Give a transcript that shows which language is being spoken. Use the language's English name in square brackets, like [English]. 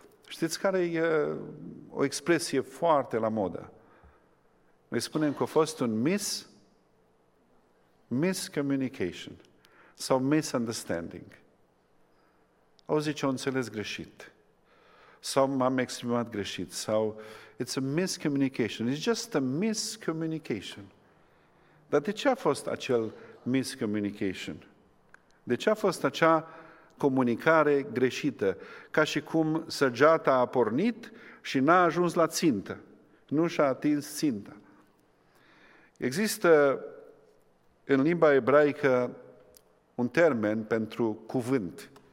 [Romanian] Știți care e o expresie foarte la modă? Noi spunem că a fost un miscommunication. Sau misunderstanding. Au zice, o înțeles greșit. Sau m-am exprimat greșit. Sau [English] it's a miscommunication. It's just a miscommunication. [Romanian] Dar de ce a fost acel miscommunication? De ce a fost acea comunicare greșită? Ca și cum săgeata a pornit și n-a ajuns la țintă. Nu și-a atins ținta. Există în limba ebraică un termen pentru cuvânt.